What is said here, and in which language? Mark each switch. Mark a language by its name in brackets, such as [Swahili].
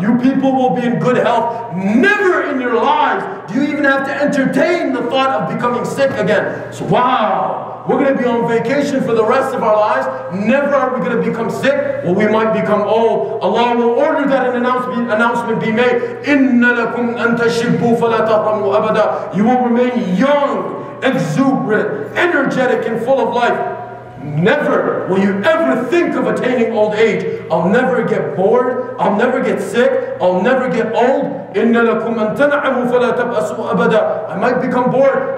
[English] You people will be in good health. Never in your lives do you even have to entertain the thought of becoming sick again. So wow! We're going to be on vacation for the rest of our lives. Never are we going to become sick. Well, we might become old. Allah will order that an announcement be made. [Arabic] إِنَّ لَكُمْ أَن تَشِبُّوا فَلَا تَطَمُوا أَبَدًا. [English] You will remain young, exuberant, energetic, and full of life. Never will you ever think of attaining old age. I'll never get bored. I'll never get sick. I'll never get old. [Arabic] إِنَّ لَكُمْ أَن تَنَعَمُوا فَلَا تَبْأَسُوا أَبَدًا. [English] I might become bored.